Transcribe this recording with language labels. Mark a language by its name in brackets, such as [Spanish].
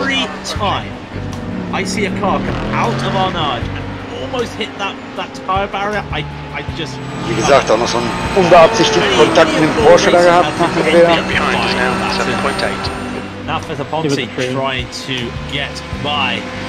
[English] Every time I see a car come out of Arnage and almost hit that tire barrier, I just... [German] Wie gesagt, auch noch so einen unbeabsichtigten Kontakt mit dem Porsche da gehabt nach dem Dreher. [English] Now for the Ponzi, trying to get by.